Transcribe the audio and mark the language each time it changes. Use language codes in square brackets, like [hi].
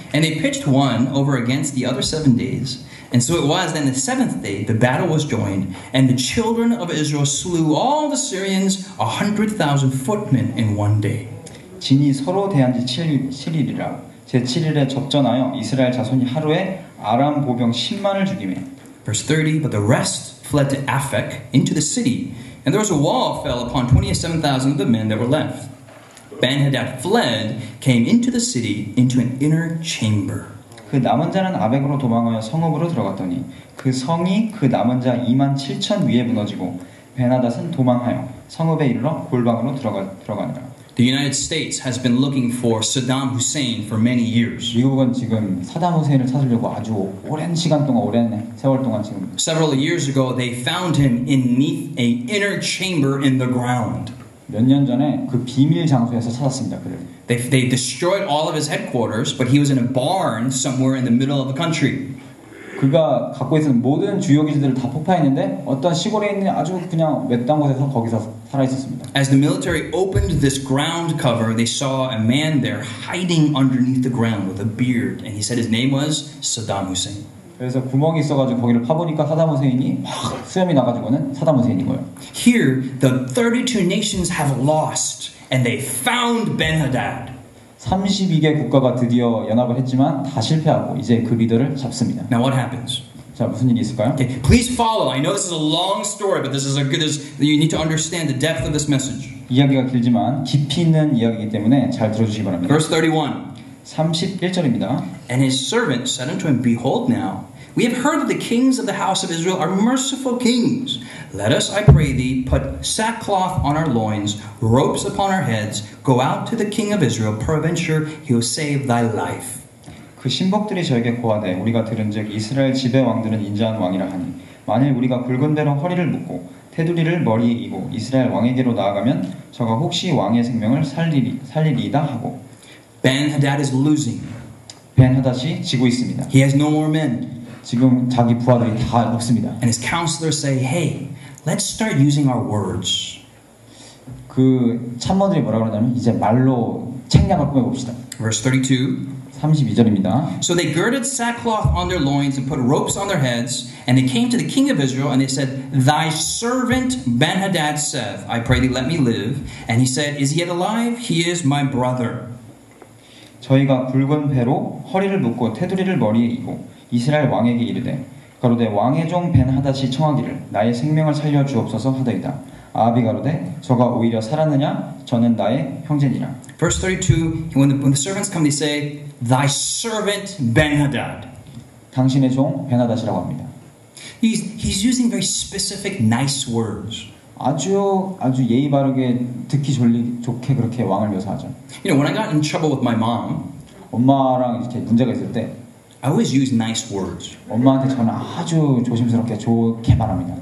[en] And they pitched one over against the other 7 days. And so it was that in the seventh day the battle was joined, and the children of Israel slew all the Syrians 100,000 footmen in one day. [ko] 진이 서로 대한 지 7일이라 제7일에 접전하여 이스라엘 자손이 하루에 아람 보병 10만을 죽이매. [en] Verse 30, but the rest fled to Aphek into the city, and there was a wall fell upon 27,000 of the men that were left. Ben-Hadad fled, came into the city, into an inner chamber. [ko] 그 남은 자는 아벡으로 도망하여 성읍으로 들어갔더니 그 성이 그 남은 자 2만 7천 위에 무너지고 벤하닷은 도망하여 성읍에 이르러 골방으로 들어가니라. [en] The United States has been looking for Saddam Hussein for many years. [ko] 미국은 지금 사담 후세인을 찾으려고 아주 오랜 시간 동안 오랜 세월 동안 지금. [en] Several years ago, they found him beneath an inner chamber in the ground. [ko] 몇 년 전에 그 비밀 장소에서 찾았습니다. 그를. [en] They destroyed all of his headquarters, but he was in a barn somewhere in the middle of the country. [ko] 그가 갖고 있던 모든 주요 기지들을 다 폭파했는데 어떤 시골에 있는 아주 그냥 외딴 곳에서 거기서 살아 있었습니다. [en] As the military opened this ground cover, they saw a man there hiding underneath the ground with a beard, and he said his name was Saddam Hussein. [ko] 그래서 구멍이 있어가지고 거기를 파보니까 사담 후세인이 확 수염이 나가지고는 사담 후세인인 거예요. [en] Here, the 32 nations have lost, and they found Ben-Hadad. [ko] 32개 국가가 드디어 연합을 했지만 다 실패하고 이제 그 리더를 잡습니다. [en] Now what happens? [ko] 자 무슨 일이 있을까요? [en] Okay, please follow. I know this is a long story, but this is a good. You need to understand the depth of this message. [ko] 이야기가 길지만 깊이 있는 이야기이기 때문에 잘 들어주시기 바랍니다. [en] Verse 31. [ko] 31절입니다. [en] And his servant said unto him, Behold now, we have heard that the kings of the house of Israel are merciful kings. Let us, I pray thee, put sackcloth on our loins, ropes upon our heads, go out to the king of Israel, peradventure he will save thy life. [ko] 그 신복들이 저에게 고하되 우리가 들은즉 이스라엘 지배 왕들은 인자한 왕이라 하니 만일 우리가 굵은 대로 허리를 묶고 테두리를 머리에 이고 이스라엘 왕에게로 나아가면 저가 혹시 왕의 생명을 살리리이다 하고. [en] Ben-Hadad is losing. [ko] Ben-Hadad이 지고 있습니다. [en] He has no more men. [ko] 지금 자기 부하들이 다 없습니다. [en] And his counselors say, Hey, let's start using our words. [ko] 그 참모들이 뭐라고 그러냐면 이제 말로 책략을 꾸며 봅시다. [en] Verse 32. [ko] 32절입니다. [en] So they girded sackcloth on their loins and put ropes on their heads, and they came to the king of Israel, and they said, Thy servant Ben-Hadad saith, I pray thee, let me live. And he said, Is he yet alive? He is my brother. [ko] 저희가 굵은 배로 허리를 묶고 테두리를 머리에 이고 이스라엘 왕에게 이르되 가로되 왕의 종 벤하닷이 청하기를 나의 생명을 살려 주옵소서 하더이다. 아합이 가로되 저가 오히려 살았느냐? 저는 나의 형제니라. [en] Verse 32. When the servants come, they say, Thy servant Ben-Hadad. [ko] 당신의 종 벤하닷이라고 합니다. [en] He's using very specific nice words. [ko] 아주 예의 바르게 듣기 좋게 그렇게 왕을 묘사하죠. [en] You know, when I got in trouble with my mom, [ko] 엄마랑 이렇게 문제가 있을 때, [en] I always use nice words. [ko] 엄마한테 저는 아주 조심스럽게 좋게 말합니다.